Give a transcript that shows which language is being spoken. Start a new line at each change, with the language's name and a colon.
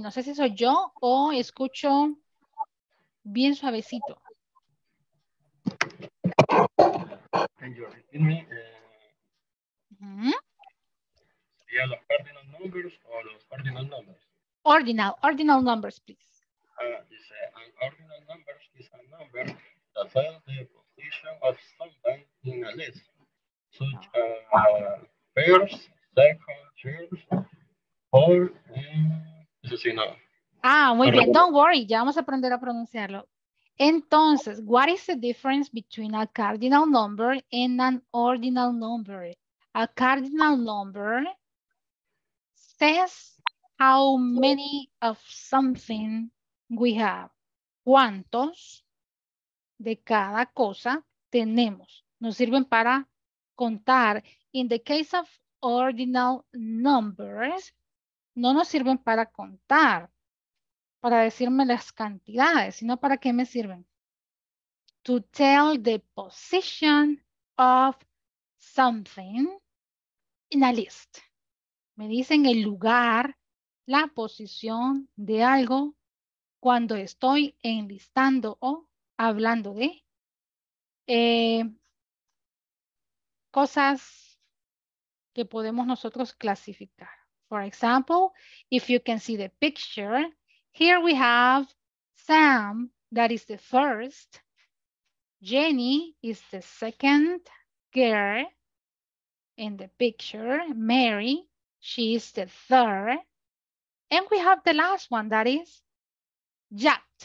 Spanish: No sé si soy yo o escucho bien suavecito.
English: Can you repeat me?
Spanish: ¿Sería los cardinal numbers o los ordinal numbers?
English: Ordinal numbers, please. Dice, an ordinal number is a number that tells the position of something in a list, such as first, second, third, fourth, and this is enough.
Spanish: Ah, muy bien,
English: don't worry,
Spanish: ya vamos a aprender a pronunciarlo.
English: Entonces, what is the difference between a cardinal number and an ordinal number? A cardinal number says how many of something we have,
Spanish: cuántos de cada cosa tenemos. Nos sirven para contar.
English: In the case of ordinal numbers,
Spanish: no nos sirven para contar, para decirme las cantidades, sino para qué me sirven.
English: To tell the position of something in a list.
Spanish: Me dicen el lugar, la posición de algo cuando estoy enlistando o hablando de cosas que podemos nosotros clasificar.
English: For example, if you can see the picture, here we have Sam, that is the first. Jenny is the second girl in the picture. Mary, she is the third. And we have the last one, that is Jack.